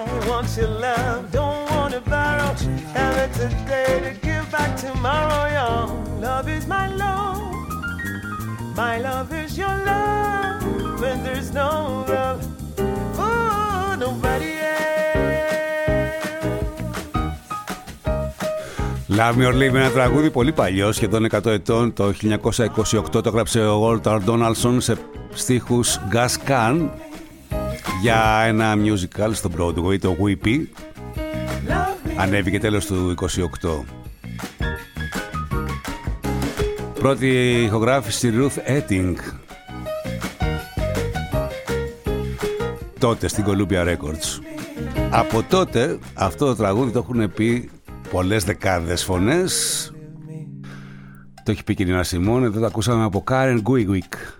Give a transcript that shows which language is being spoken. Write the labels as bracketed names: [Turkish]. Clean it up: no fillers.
[English] Want your love, don't want to borrow. Have it today to give back tomorrow, y'all. Love is my love, my love is your love. When there's no love for nobody else. [Greek] Love Me or Leave Me, ένα τραγούδι πολύ παλιό, σχεδόν 100 ετών. Το 1928 το έγραψε ο Walter Donaldson σε στίχους Gus Kahn για ένα musical στο Broadway, το Weepy. Ανέβηκε τέλος του 28. Πρώτη ηχογράφηση Ruth Etting, τότε στην Columbia Records. Από τότε αυτό το τραγούδι το έχουν πει πολλές δεκάδες φωνές. Το έχει πει και η Νίνα Σιμών. Εδώ το ακούσαμε από Karen Guigwick.